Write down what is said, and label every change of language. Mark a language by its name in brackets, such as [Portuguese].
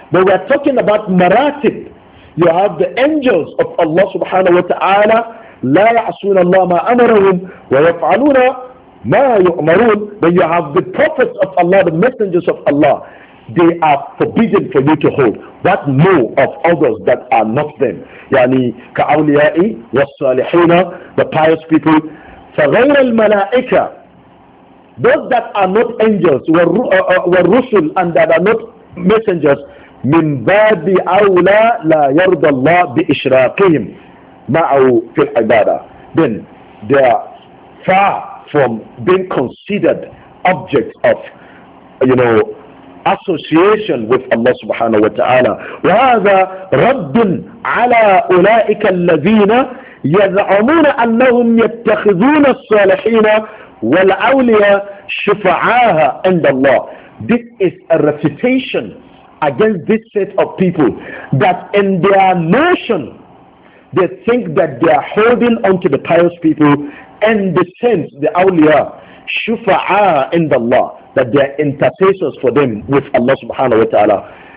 [English] But we are talking about maratib. You have the angels of Allah subhanahu wa ta'ala, [Arabic] لا يعصون الله ما أمرهم ويفعلون ما يؤمرون. [English] Then you have the prophets of Allah, the messengers of Allah. They are forbidden for you to hold. What know of others that are not them? [Arabic] يعني كأولياء والصالحين, [English] the pious people. [Arabic] فغير الملائكة, [English] those that are not angels, [Arabic] والرسل, [English] and that are not messengers, [Arabic] من باب أولى لا يرضى الله بإشراقهم معه في العبادة. [English] Then they are far from being considered objects of, you know, association with Allah subhanahu wa ta'ala. [Arabic] وهذا رد على أولئك الذين يزعمون أنهم يتخذون الصالحين والأولياء شفعاء عند الله. [English] This is a refutation against this set of people, that in their notion they think that they are holding onto the pious people and the saints, the awliya, shufa'a [Arabic] عند الله, [English] that they are intercessors for them with Allah subhanahu wa ta'ala.